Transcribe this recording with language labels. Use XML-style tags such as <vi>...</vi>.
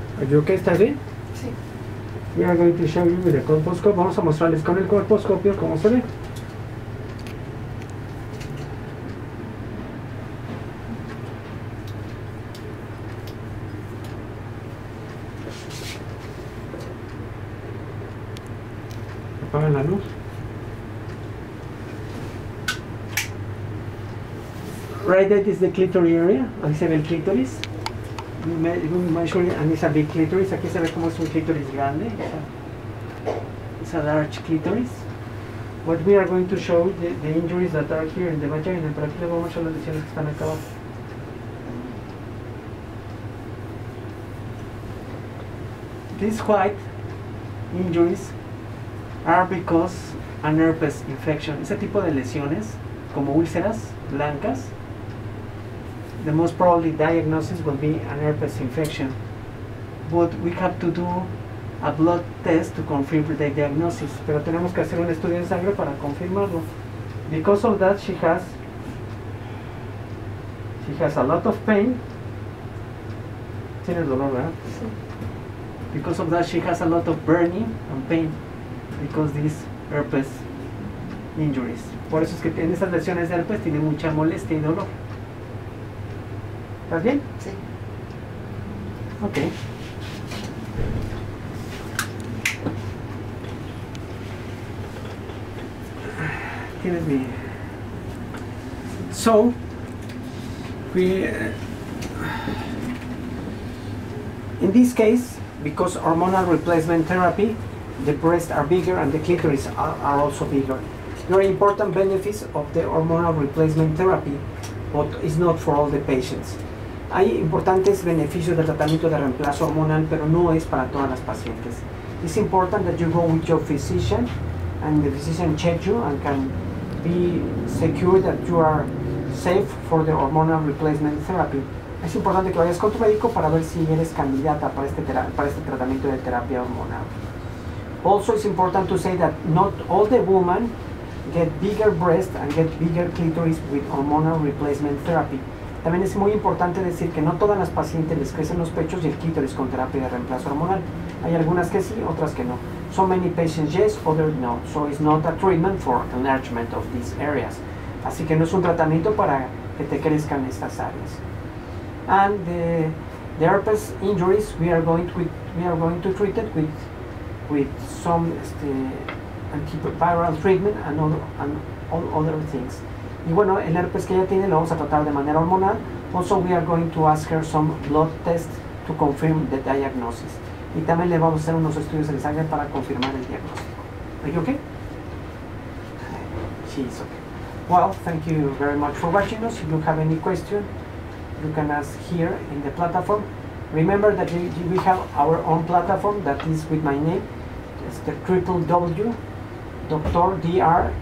<es>¿Yo qué? ¿Está bien? Sí.</es> <en>We are going to show you with the colposcope.</en> <es>Vamos a mostrarles con el colposcopio cómo se ve. Apagan la luz.</es> <en>Right, that is the clitoris area.</en> <es>Ahí se ve el clítoris.</es> <en>And it's a big clitoris.</en> <es>Aquí se ve como es un clitoris grande.</es> <en>It's a large clitoris. What we are going to show the injuries that are here in the vagina.</en> <es>Pero aquí le vamos a mostrar las lesiones que están acá abajo.</es> <en>These white injuries are because an herpes infection.</en> <es>Ese tipo de lesiones, como úlceras blancas,</es> <en>the most probably diagnosis will be an herpes infection. But we have to do a blood test to confirm the diagnosis.</en> <es>Pero tenemos que hacer un estudio de sangre para confirmarlo.</es> <en>Because of that, she has a lot of pain.</en> <es>Tiene dolor, ¿verdad? Sí.</es> <en>Because of that, she has a lot of burning and pain. Because these herpes injuries.</en> <es>Por eso es que en esas lesiones de herpes tiene mucha molestia y dolor. ¿Estás bien? Sí.</es> <en>Ok. Tienes mi... So... We... In this case, because hormonal replacement therapy, the breasts are bigger and the clitoris are also bigger. Very important benefits of the hormonal replacement therapy, but it's not for all the patients.</en> <es>Hay importantes beneficios del tratamiento de reemplazo hormonal, pero no es para todas las pacientes.</es> <en>It's important that you go with your physician, and the physician check you and can be secure that you are safe for the hormonal replacement therapy.</en> <es>Es importante que vayas con tu médico para ver si eres candidata para este tratamiento de terapia hormonal.</es> <en>Also, it's important to say that not all the women get bigger breasts and get bigger clitoris with hormonal replacement therapy.</en> <es>También es muy importante decir que no todas las pacientes les crecen los pechos y el clítoris con terapia de reemplazo hormonal. Hay algunas que sí, otras que no.</es> <en>So many patients yes, others no. So it's not a treatment for enlargement of these areas.</en> <es>Así que no es un tratamiento para que te crezcan estas áreas.</es> <en>And the herpes injuries we are going to treat it with some antiviral treatment and other things.</en> <es>Y bueno, el herpes que ella tiene lo vamos a tratar de manera hormonal.</es> <en>Also, we are going to ask her some blood tests to confirm the diagnosis.</en> <es>Y también le vamos a hacer unos estudios en sangre para confirmar el diagnóstico.</es> <en>Are you okay? She's okay. Well, thank you very much for watching us. If you have any question, you can ask here in the platform. Remember that we have our own platform that is with my name. It's the WWW. Dr. Dr.</en>